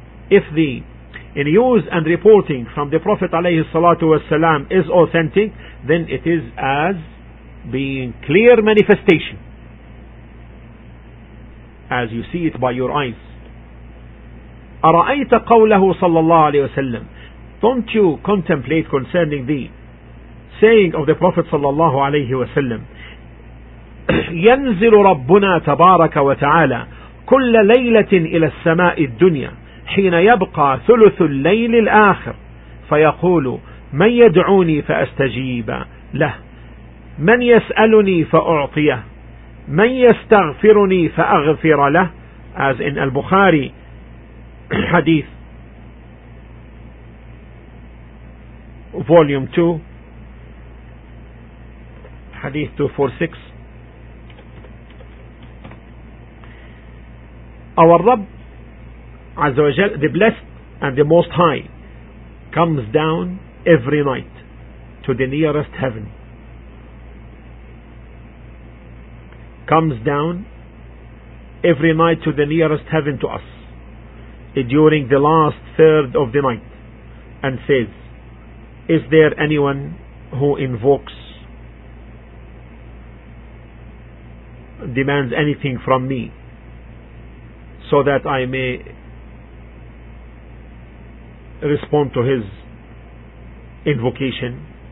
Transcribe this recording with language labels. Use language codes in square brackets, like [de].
[en] If the news and reporting from the Prophet [ar] عَلَيْهِ الصَّلَاةُ وَالسَّلَامُ [en] is authentic, then it is as being clear manifestation, as you see it by your eyes. [ar] أَرَأَيْتَ قَوْلَهُ صَلَّى اللَّهُ عَلَيْهِ وَسَلَّمْ. [en] Don't you contemplate concerning the saying of the Prophet sallallahu alayhi wa sallam, [ar] ينزل ربنا تبارك وتعالى كل ليلة إلى السماء الدنيا حين يبقى ثلث الليل الآخر فيقول من يدعوني فأستجيب له, من يسألني فأعطيه, من يستغفرني فأغفر له, [en] as in Al-Bukhari hadith volume 2 hadith 246. Our Rabb Azza wa Jal, the blessed and the most high, comes down every night to the nearest heaven, comes down every night to the nearest heaven to us during the last third of the night, and says, is there anyone who invokes, demands anything from me so that I may respond to his invocation?